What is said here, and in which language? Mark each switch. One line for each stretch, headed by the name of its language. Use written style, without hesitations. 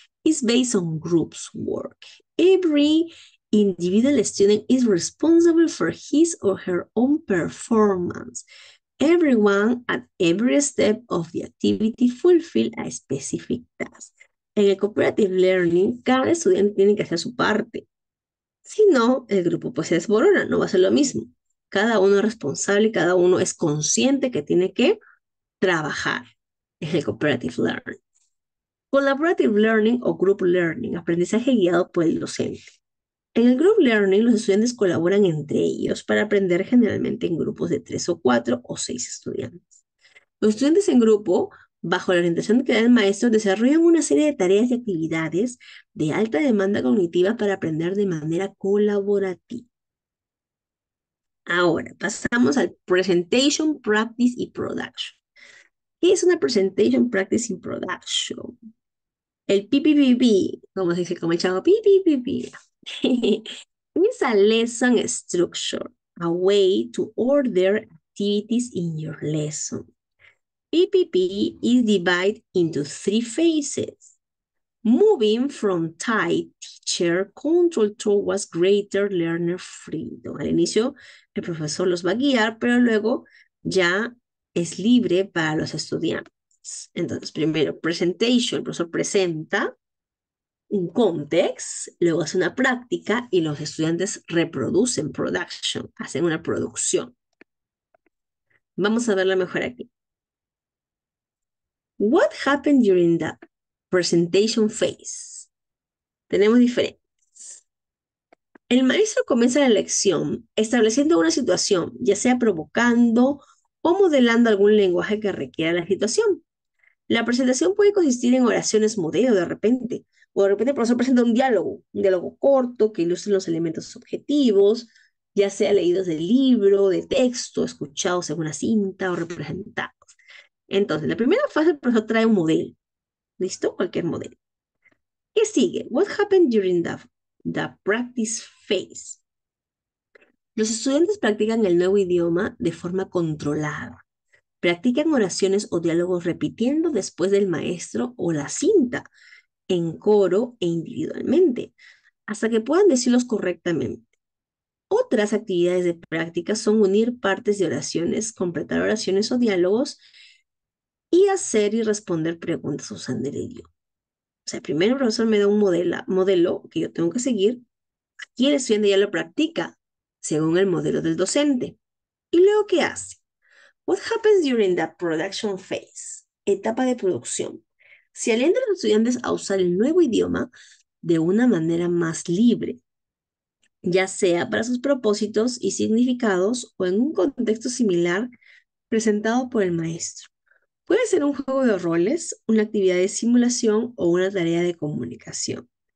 English: It's based on groups work. Every individual student is responsible for his or her own performance. Everyone at every step of the activity fulfill a specific task.
Spanish: En el cooperative learning, cada estudiante tiene que hacer su parte. Si no, el grupo pues se desmorona, no va a ser lo mismo. Cada uno es responsable y cada uno es consciente que tiene que trabajar en el cooperative learning. Collaborative learning o group learning, aprendizaje guiado por el docente. En el group learning, los estudiantes colaboran entre ellos para aprender generalmente en grupos de 3 o 4 o 6 estudiantes. Los estudiantes en grupo, bajo la orientación que da el maestro, desarrollan una serie de tareas y actividades de alta demanda cognitiva para aprender de manera colaborativa. Ahora, pasamos al Presentation Practice y Production. ¿Qué es una Presentation Practice y Production? El PPPP, como se dice, como el chavo, PPPP.
English: It's a lesson structure, a way to order activities in your lesson. PPP is divided into three phases. Moving from tight teacher control towards greater learner freedom.
Spanish: Al inicio, el profesor los va a guiar, pero luego ya es libre para los estudiantes. Entonces, primero, presentation. El profesor presenta un context, luego hace una práctica y los estudiantes reproducen production, hacen una producción. Vamos a verla mejor aquí.
English: What happened during the presentation phase?
Spanish: Tenemos diferentes. El maestro comienza la lección estableciendo una situación, ya sea provocando o modelando algún lenguaje que requiera la situación. La presentación puede consistir en oraciones modelo de repente, o de repente el profesor presenta un diálogo corto que ilustre los elementos objetivos, ya sea leídos del libro, de texto, escuchados en una cinta o representados. Entonces, la primera fase, el profesor trae un modelo. ¿Listo? Cualquier modelo. ¿Qué sigue?
English: What happened during the practice phase?
Spanish: Los estudiantes practican el nuevo idioma de forma controlada. Practican oraciones o diálogos repitiendo después del maestro o la cinta, en coro e individualmente, hasta que puedan decirlos correctamente. Otras actividades de práctica son unir partes de oraciones, completar oraciones o diálogos, y hacer y responder preguntas usando el idioma. sea, primero el profesor me da un modelo que yo tengo que seguir, y el estudiante ya lo practica según el modelo del docente. ¿Y luego qué hace?
English: What happens during that production phase?
Spanish: Etapa de producción. Se alienta a los estudiantes a usar el nuevo idioma de una manera más libre, ya sea para sus propósitos y significados o en un contexto similar presentado por el maestro. Puede ser un juego de roles, una actividad de simulación o una tarea de comunicación.